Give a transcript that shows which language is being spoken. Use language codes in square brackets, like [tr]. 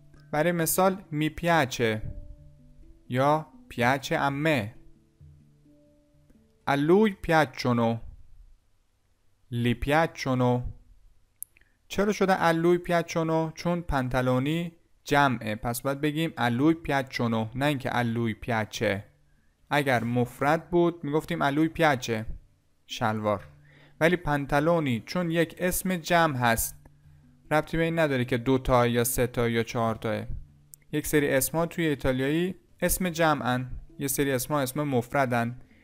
[fa] برای مثال می پیاچه یا پیاچه امه. [it] A lui piacciono. Li piacciono. [fa] چرا شده [it] a lui piacciono؟ [fa] چون پنتالونی جمعه. پس باید بگیم [it] a lui piacciono، [fa] نه اینکه [it] a lui piace. [fa] اگر مفرد بود میگفتیم [it] a lui piace [fa] شلوار. ولی پنتالونی چون یک اسم جمع هست، ربطی به این نداره که دوتا یا ستا یا چهارتایه. یک سری اسما توی ایتالیایی اسم جمعن، یه سری اسما اسم مفردن.